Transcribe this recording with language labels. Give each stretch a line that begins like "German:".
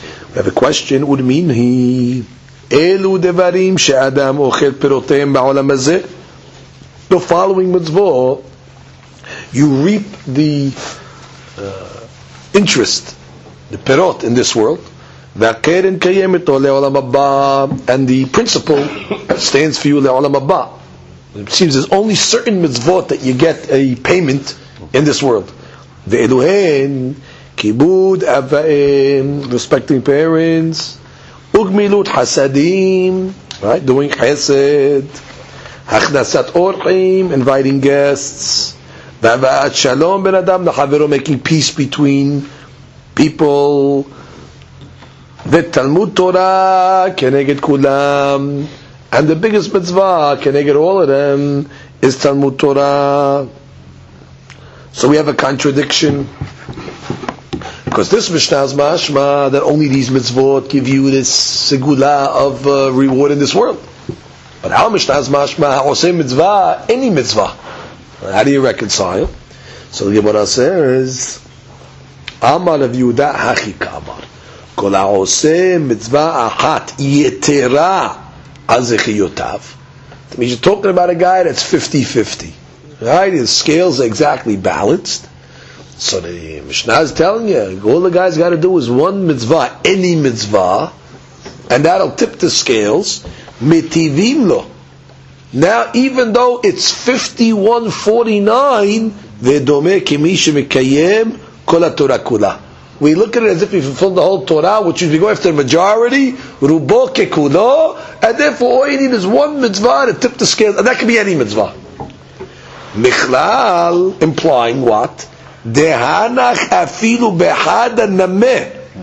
English: We have a question, would mean he,
Hebrew: Elu devarim she'adam ochel pirotem ba'olam hazeh,
English: the following mitzvah, you reap the interest, the perot in this world,
Hebrew: והקרן קיימת לעולם הבא,
English: and the principle stands for you
Hebrew: לעולם הבא.
English: It seems there's only certain mitzvot that you get a payment in this world.
Hebrew: ואלו הן כיבוד אב ואם,
English: respecting parents,
Hebrew: וגמילות חסדים,
English: right, doing
Hebrew: חסד, הכנסת אורחים,
English: inviting guests,
Hebrew: והבאת שלום בין אדם לחברו,
English: making peace between people,
Hebrew: ותלמוד תורה כנגד כולם,
English: and the biggest mitzvah
Hebrew: כנגד
English: all of them is
Hebrew: תלמוד תורה.
English: So we have a contradiction, because this Mishnah is mashma that only these mitzvot give you this segula of reward in this world. But how Mishnah is mashma
Hebrew: haosei mitzvah,
English: any mitzvah? How do you reconcile? So the Gemara says,
Hebrew: Amar of Yehuda hachi kamar, כל העושה מצווה אחת יתרה על זכיותיו.
English: That means you're talking about a guy that's 50-50. Right? His scales are exactly balanced. So the Mishnah is telling you, all the guy's got to do is one mitzvah, any mitzvah, and that'll tip the scales.
Hebrew: מטיבים לו.
English: Now, even though it's 51-49,
Hebrew: ודומה כמי שמקיים כל התורה כולה.
English: We look at it as if we fulfilled the whole Torah, which is we go after the majority,
Hebrew: rubo kekudo,
English: and therefore all you need is one mitzvah to tip the scales, and that can be any mitzvah.
Aramaic: Michlal,
English: implying what?
Aramaic: Dehanach afilu behada nameh.